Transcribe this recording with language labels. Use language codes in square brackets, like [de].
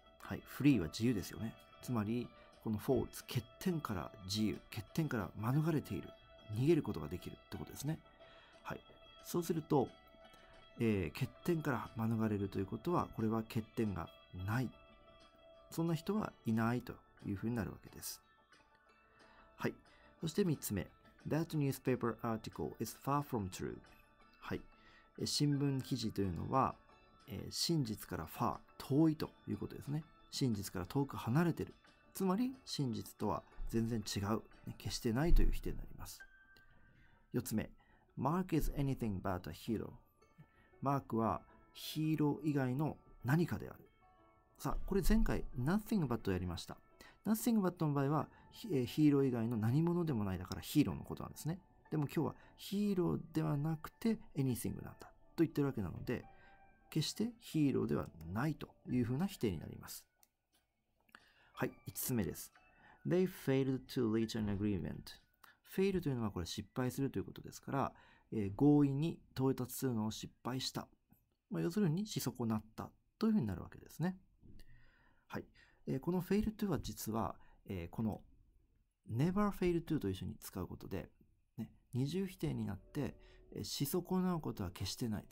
[ja] はい、free は自由ですよね。つまり、この faults、欠点から自由、欠点から免れている、逃げることができるってことですね。はい、そうすると、欠点から免れるということは、これは欠点がない。そんな人はいないというふうになるわけです。はい。そして3つ目。 [en] That newspaper article is far from true. [ja] はい。新聞記事というのは、真実から far、遠いということですね。真実から遠く離れている。つまり、真実とは全然違う。決してないという否定になります。 4つ目。 [en] Mark is anything but a hero. [ja] マークはヒーロー以外の何かである。さあ、これ前回 nothing but をやりました。 nothing but の場合はヒーロー以外の何者でもない、だからヒーローのことなんですね。でも今日はヒーローではなくて anything なんだと言ってるわけなので、決してヒーローではないというふうな否定になります。はい、5つ目です。 [en] They failed to reach an agreement. [ja] Fail というのはこれ失敗するということですから、合意に到達するのを失敗した。まあ、要するにし損なったというふうになるわけですね。はい。この fail to は実は、この never fail to と一緒に使うことで、ね、二重否定になって、し損なうことは決してない。